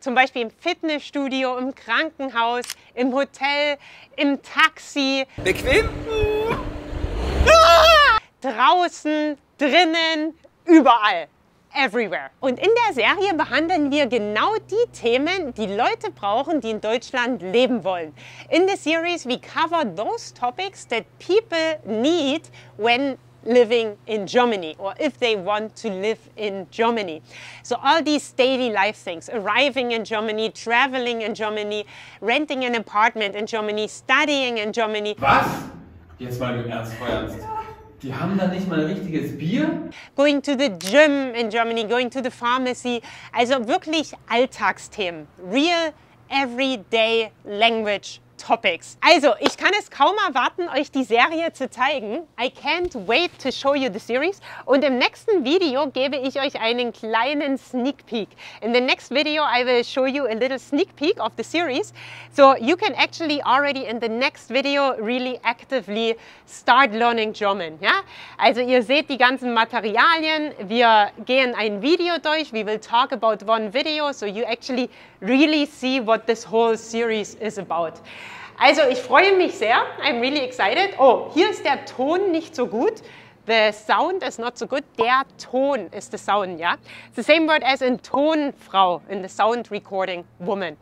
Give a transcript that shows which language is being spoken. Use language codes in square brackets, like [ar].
[de] Zum Beispiel im Fitnessstudio, im Krankenhaus, im Hotel, im Taxi. Bequem? Draußen, drinnen, überall. Everywhere. Und in der Serie behandeln wir genau die Themen, die Leute brauchen, die in Deutschland leben wollen. [en] In the series we cover those topics that people need when living in Germany or if they want to live in Germany. So all these daily life things, arriving in Germany, traveling in Germany, renting an apartment in Germany, studying in Germany. [de] Was? Jetzt mal im Ernst, voll ernst. Die haben da nicht mal ein richtiges Bier? [en] Going to the gym in Germany, going to the pharmacy. [de] Also wirklich Alltagsthemen. [en] Real, everyday language topics. [de] Also, ich kann es kaum erwarten, euch die Serie zu zeigen. [en] I can't wait to show you the series. [de] Und im nächsten Video gebe ich euch einen kleinen sneak peek. [en] In the next video I will show you a little sneak peek of the series. So you can actually already in the next video really actively start learning German. [de] Ja? Also ihr seht die ganzen Materialien. Wir gehen ein Video durch. [en] We will talk about one video. So you actually really see what this whole series is about. [de] Also, ich freue mich sehr. [en] I'm really excited. [de] Oh, hier ist der Ton nicht so gut. [en] The sound is not so good. [de] Der Ton ist [en] the sound, ja? The same word as in Tonfrau, in the sound recording woman.